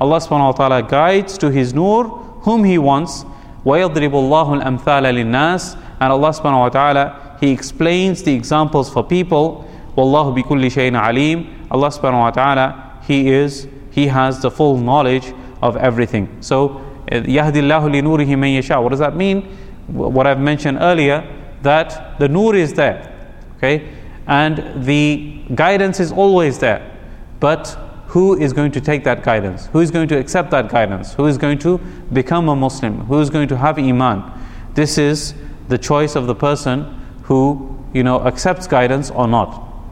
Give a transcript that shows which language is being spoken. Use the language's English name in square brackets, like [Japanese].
[English] Allah subhanahu wa ta'ala guides to His nur whom He wants. [Arabic] وَيَضْرِبُ اللَّهُ الْأَمْثَالَ لِلنَّاسِ. [English] And Allah subhanahu wa ta'ala, He explains the examples for people. [Arabic] وَاللَّهُ بِكُلِّ شَيْءٍ عَلِيمٍ. [English] Allah subhanahu wa ta'ala, He has the full knowledge of everything. So, [Arabic] يَهْدِ اللَّهُ لِنُورِهِ مَنْ يَشَىٰ. [English] What does that mean? What I've mentioned earlier, that the nur is there. Okay? And the guidance is always there. But who is going to take that guidance? Who is going to accept that guidance? Who is going to become a Muslim? Who is going to have Iman? This is the choice of the person who, you know, accepts guidance or not.